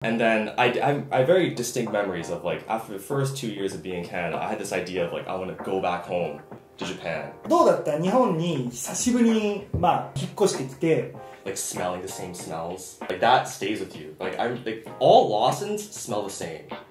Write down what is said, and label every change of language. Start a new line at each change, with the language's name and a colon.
English: And then I have very distinct memories of like after the first 2 years of being in Canada, I had this idea of like I want to go back home to Japan.
Japanese: どうだった？日本に久しぶりにまあ引っ越してきて。
English: Like smelling the same smells, like that stays with you. Like I'm like all Lawsons smell the same.